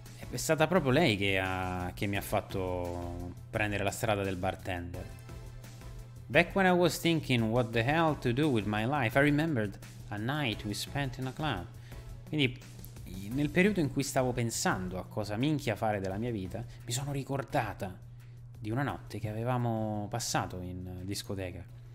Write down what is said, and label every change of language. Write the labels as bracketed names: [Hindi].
[Italian] È stata proprio lei che mi ha fatto prendere la strada del bartender. [English] Back when I was thinking what the hell to do with my life, I remembered a night we spent in a club. [Italian] Quindi nel periodo in cui stavo pensando a cosa minchia fare della mia vita, mi sono ricordata di una notte che avevamo passato in discoteca.